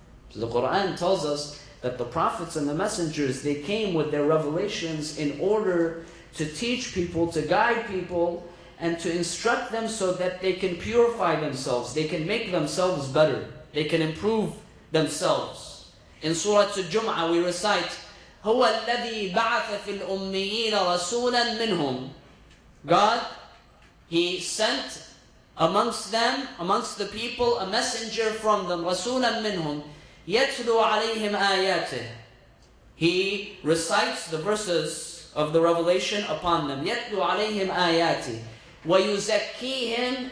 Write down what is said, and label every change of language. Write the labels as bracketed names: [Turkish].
[English] So the Quran tells us that the prophets and the messengers, they came with their revelations in order to teach people, to guide people, and to instruct them so that they can purify themselves, they can make themselves better, they can improve themselves. In Surah Al-Jum'ah, we recite, [Arabic] هُوَ الَّذِي بَعَثَ فِي الْأُمِّيِّينَ رَسُولًا مِّنْهُمْ. [English] God, He sent amongst them, amongst the people, a messenger from them, [Arabic] رَسُولًا مِّنْهُمْ يَتْلُوا عَلَيْهِمْ آيَاتِهِ. [English] He recites the verses of the revelation upon them. [Arabic] يَتْلُوا عَلَيْهِمْ آيَاتِهِ وَيُزَكِّيهِمْ.